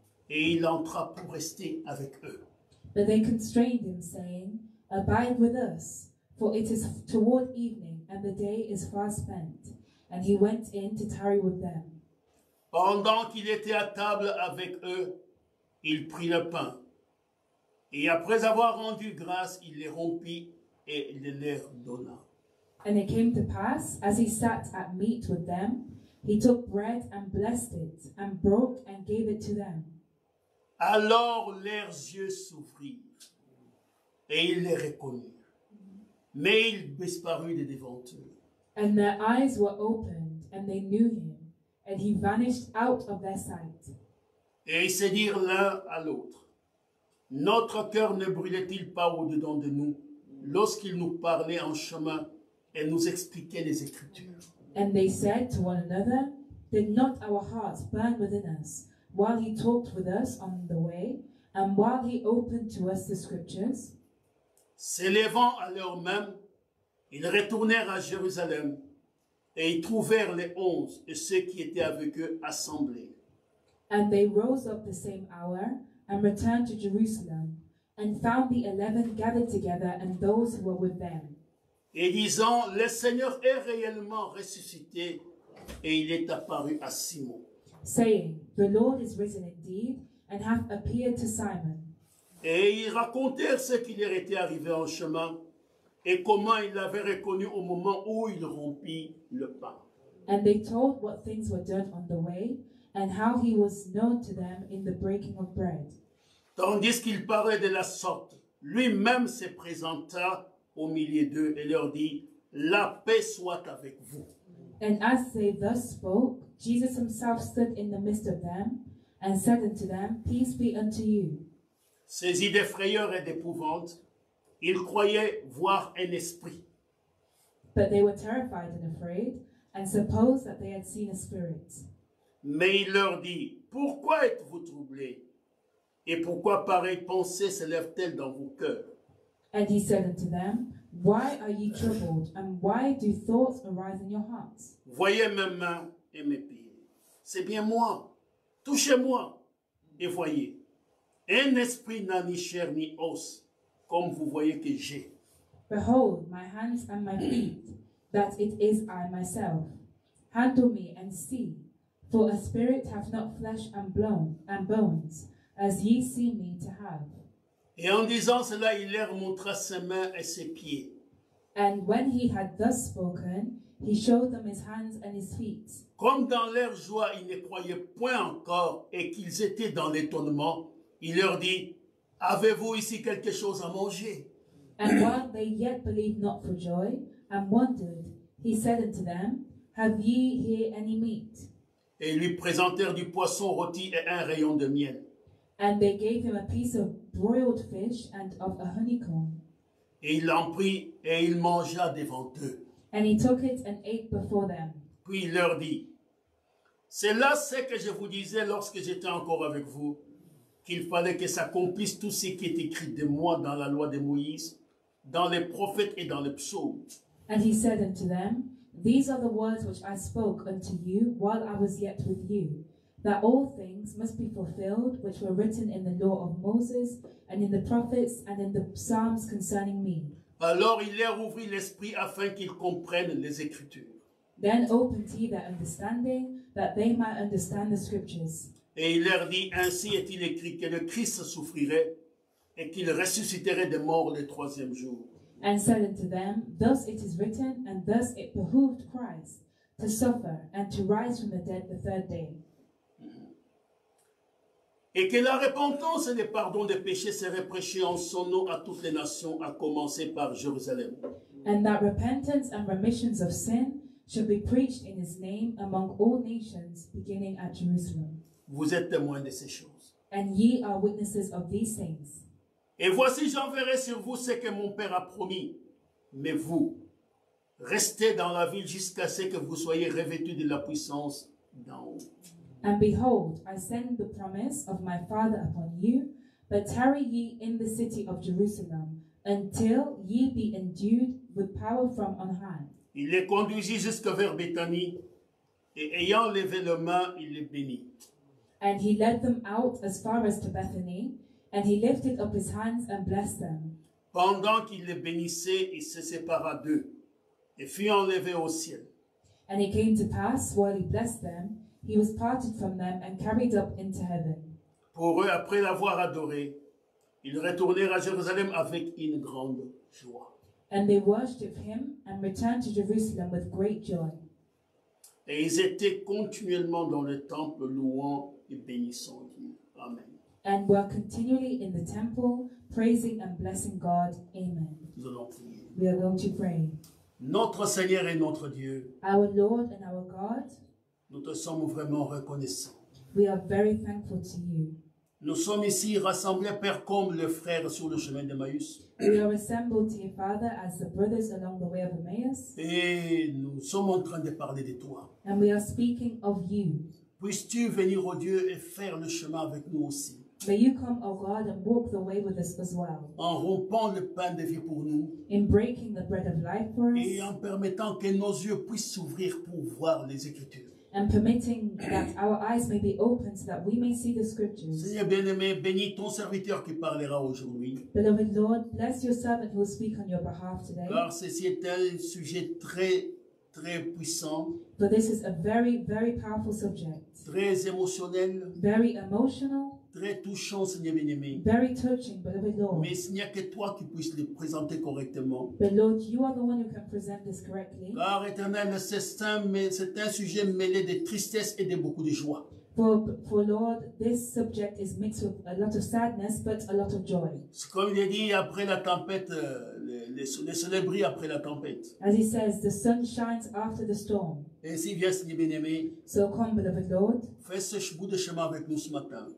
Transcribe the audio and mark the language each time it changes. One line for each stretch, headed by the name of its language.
French: Et il entra pour rester avec eux.
English: But they constrained him, saying, abide with us, for it is toward evening, and the day is far spent. And he went in to tarry with them.
French: Pendant qu'il était à table avec eux, il prit le pain. Et après avoir rendu grâce, il les rompit et les leur donna.
English: And it came to pass, as he sat at meat with them, he took bread and blessed it, and broke and gave it to them.
French: Alors leurs yeux s'ouvrirent et ils les reconnurent, mais il disparut de devant eux.
English: And their eyes were opened, and they knew him, and he vanished out of their sight.
French: Et ils se dirent l'un à l'autre, notre cœur ne brûlait-il pas au-dedans de nous lorsqu'il nous parlait en chemin et nous expliquait les Écritures?
English: And they said to one another, did not our hearts burn within us while he talked with us on the way, and while he opened to us the scriptures?
French: S'élevant à l'heure même, ils retournèrent à Jérusalem, et ils trouvèrent les onze et ceux qui étaient avec eux assemblés.
English: And they rose up the same hour, and returned to Jerusalem, and found the 11 gathered together, and those who were with them.
French: Et disant, le Seigneur est réellement ressuscité, et il est apparu à Simon.
English: Saying, the Lord is risen indeed, and hath appeared to Simon.
French: Et ils racontèrent ce qui leur était arrivé en chemin, et comment ils l'avaient reconnu au moment où il rompit le pain.
English: And they told what things were done on the way, and how he was known to them in the breaking of bread.
French: Tandis qu'ils parlaient de la sorte, lui-même se présenta au milieu d'eux et leur dit, la paix soit avec vous.
English: And as they thus spoke, Jesus himself stood in the midst of them and said unto them, peace be unto you.
French: Saisis de frayeur et d'épouvante, ils croyaient voir un esprit.
English: But they were terrified and afraid and supposed that they had seen a spirit.
French: Mais il leur dit, pourquoi êtes-vous troublés? Et pourquoi pareille pensée se lève-t-elle dans vos cœurs?
English: And he said unto them, why are ye troubled and why do thoughts arise in your hearts?
French: Voyez mes mains et mes pieds. C'est bien moi. Touchez-moi et voyez. Un esprit n'a ni chair ni os, comme vous voyez que j'ai.
English: Behold, my hands and my feet, that it is I myself. Handle me and see, for a spirit hath not flesh and bones, as ye see me to have.
French: Et en disant cela, il leur montra ses mains et ses pieds.
English: And when he had thus spoken, he showed them his hands and his feet.
French: Comme dans leur joie, ils ne croyaient point encore et qu'ils étaient dans l'étonnement, il leur dit, avez-vous ici quelque chose à manger?
English: And while they yet believed not for joy and wondered, he said unto them, have ye here any meat?
French: Et ils lui présentèrent du poisson rôti et un rayon de miel.
English: And they gave him a piece of broiled fish and of a honeycomb.
French: Et il en prit et il mangea devant eux.
English: And he took it and ate before them.
French: Puis il leur dit, c'est là ce que je vous disais lorsque j'étais encore avec vous, qu'il fallait que s'accomplisse tout ce qui est écrit de moi dans la loi de Moïse, dans les prophètes et dans les psaumes.
English: And he said unto them, these are the words which I spoke unto you while I was yet with you, that all things must be fulfilled which were written in the law of Moses and in the prophets and in the psalms concerning me.
French: Alors il leur ouvrit l'esprit afin qu'ils comprennent les Écritures.
English: Then opened he their understanding that they might understand the scriptures.
French: Et il leur dit, ainsi est-il écrit que le Christ souffrirait et qu'il ressusciterait des morts le troisième jour.
English: And said unto them, thus it is written, and thus it behooved Christ to suffer and to rise from the dead the third day.
French: Et que la repentance et le pardon des péchés seraient prêchés en son nom à toutes les nations, à commencer par Jérusalem.
English: And that repentance and remissions of sin should be preached in his name among all nations, beginning at Jerusalem.
French: Vous êtes témoins de ces choses.
English: And ye are witnesses of these things.
French: Et voici, j'enverrai sur vous ce que mon Père a promis. Mais vous, restez dans la ville jusqu'à ce que vous soyez revêtus de la puissance d'en haut.
English: And behold, I send the promise of my Father upon you, but tarry ye in the city of Jerusalem until ye be endued with power from on high.
French: Il les conduisit jusque vers Béthanie, et ayant levé les mains, il les bénit.
English: And he led them out as far as to Bethany, and he lifted up his hands and blessed them.
French: Pendant qu'il les bénissait, il se sépara d'eux et fut enlevé au ciel.
English: And it came to pass while he blessed them, he was parted from them and carried up into heaven.
French: Pour eux, après l'avoir adoré, ils retournèrent à Jérusalem avec une grande joie.
English: And they worshipped him and returned to Jerusalem with great joy.
French: Et ils étaient continuellement dans le temple louant et bénissant Dieu. Amen.
English: And were continually in the temple praising and blessing God. Amen.
French: Nous allons prier.
English: We are going to pray.
French: Notre Seigneur et notre Dieu.
English: Our Lord and our God.
French: Nous te sommes vraiment reconnaissants.
English: We are very thankful to you.
French: Nous sommes ici rassemblés, Père, comme les frères sur le chemin d'Emmaüs.
English: We are assembled to your Father as the brothers along the way of Emmaüs.
French: Et nous sommes en train de parler de toi.
English: And we are speaking of you.
French: Puisses-tu venir, ô Dieu, et faire le chemin avec nous aussi.
English: May you come, O God, and walk the way with us as well.
French: En rompant le pain de vie pour nous.
English: In breaking the bread of life for us.
French: Et en permettant que nos yeux puissent s'ouvrir pour voir les Écritures.
English: And permitting that our eyes may be open so that we may see the scriptures.
French: Seigneur bien-aimé, bénis ton serviteur qui parlera aujourd'hui.
English: Beloved Lord, bless your servant who will speak on your behalf today.
French: Car ceci est un sujet très, très puissant.
English: But this is a very, very powerful subject.
French: Très émotionnel.
English: Very emotional.
French: Très touchant, Seigneur bien-aimé.
English: Very touching, beloved Lord.
French: Mais il n'y a que toi qui puisses le présenter correctement.
English: But Lord, you are the one who can present this correctly.
French: Car éternel, c'est un sujet mêlé de tristesse et de beaucoup de joie.
English: For Lord, this subject is mixed with a lot of sadness, but a lot of joy.
French: C'est comme il est dit, après la tempête, le soleil brille après la tempête.
English: As he says, the sun shines after the storm.
French: Ainsi viens, Seigneur bien-aimé.
English: So come, beloved Lord.
French: Fais ce bout de chemin avec nous ce matin.